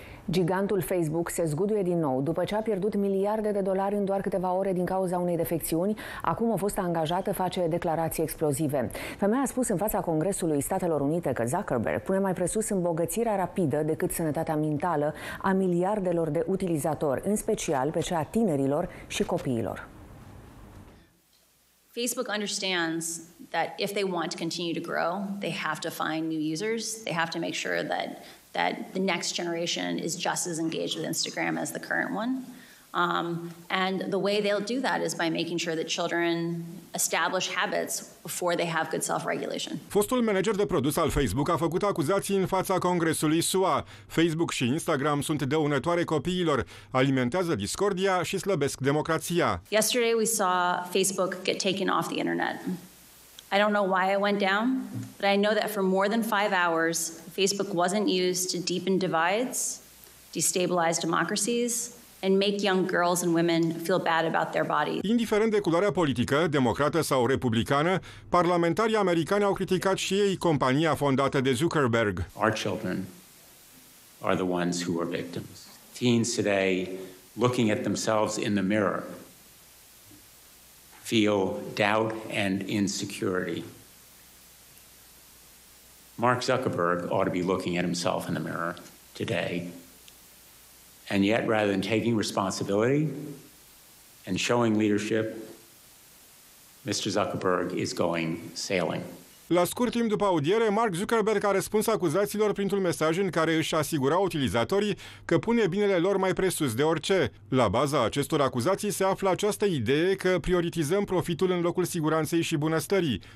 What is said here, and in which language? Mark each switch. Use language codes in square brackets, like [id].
[ro] Gigantul Facebook se zguduie din nou după ce a pierdut miliarde de dolari în doar câteva ore din cauza unei defecțiuni. Acum a fost angajată, face declarații explozive. Femeia a spus în fața Congresului Statelor Unite că Zuckerberg pune mai presus îmbogățirea rapidă decât sănătatea mentală a miliardelor de utilizatori, în special pe cea a tinerilor și copiilor. [en] Facebook understands that if they want to continue to grow, they have to find new users. They have to make sure that the next generation is just as engaged with Instagram as the current one. And the way they'll do that is by making sure that children establish habits before they have good self-regulation. [ro] Fostul manager de produs al Facebook a făcut acuzații în fața Congresului SUA. Facebook și Instagram sunt dăunătoare copiilor, alimentează discordia și slăbesc democrația. [en] Yesterday we saw Facebook get taken off the internet. I don't know why it went down, but I know that for more than 5 hours, Facebook wasn't used to deepen divides, destabilize democracies, and make young girls and women feel bad about their bodies. [ro] Indiferent de culoarea politică, democrată sau republicană, parlamentarii americani au criticat și ei compania fondată de Zuckerberg. [en] Our children are the ones who are victims. Teens today, looking at themselves in the mirror, feel doubt and insecurity. Mark Zuckerberg ought to be looking at himself in the mirror today. And yet, rather than taking responsibility and showing leadership, Mr. Zuckerberg is going sailing. [ro] La scurt timp după audiere, Mark Zuckerberg a răspuns acuzațiilor printr-un mesaj în care își asigura utilizatorii că pune binele lor mai presus de orice. La baza acestor acuzații se află această idee că prioritizăm profitul în locul siguranței și bunăstării.